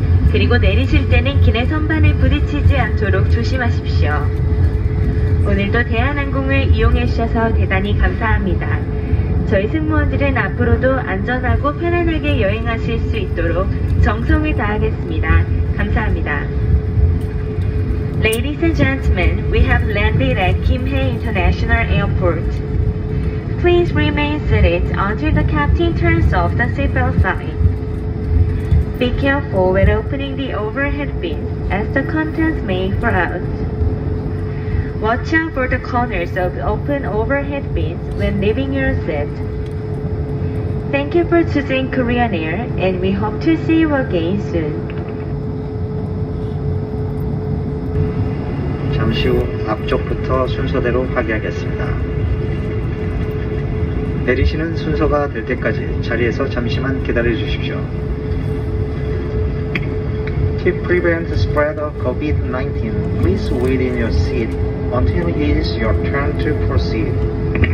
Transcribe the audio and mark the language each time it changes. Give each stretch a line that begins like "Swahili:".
Korean: 그리고 내리실 때는 기내 선반을 부딪히지 않도록 조심하십시오. 오늘도 대한항공을 이용해 주셔서 대단히 감사합니다. 저희 승무원들은 앞으로도 안전하고 편안하게 여행하실 수 있도록 정성을 다하겠습니다. 감사합니다.
English: Ladies and gentlemen, we have landed at Kimhae International Airport. Please remain seated until the captain turns off the seatbelt sign. Be careful when opening the overhead bin as the contents may fall out. Watch out for the corners of open overhead bins when leaving your seat. Thank you for choosing Korean Air and we hope to see you again soon.
Korean: 잠시 후 앞쪽부터 순서대로 하기하겠습니다. 내리시는 순서가 될 때까지 자리에서 잠시만 기다려 주십시오.
English: To prevent the spread of COVID-19, please wait in your seat until it is your turn to proceed.